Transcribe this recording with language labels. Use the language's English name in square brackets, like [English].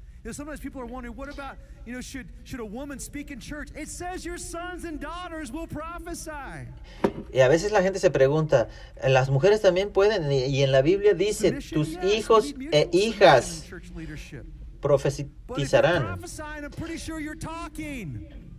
[English] Sometimes people are wondering, what about, you know, should a woman speak in church? It says your sons and daughters will prophesy. [Spanish] Y a veces la gente se pregunta, las mujeres también pueden, y en la Biblia dice, tus hijos e hijas profetizarán. [English] I'm pretty sure you're talking.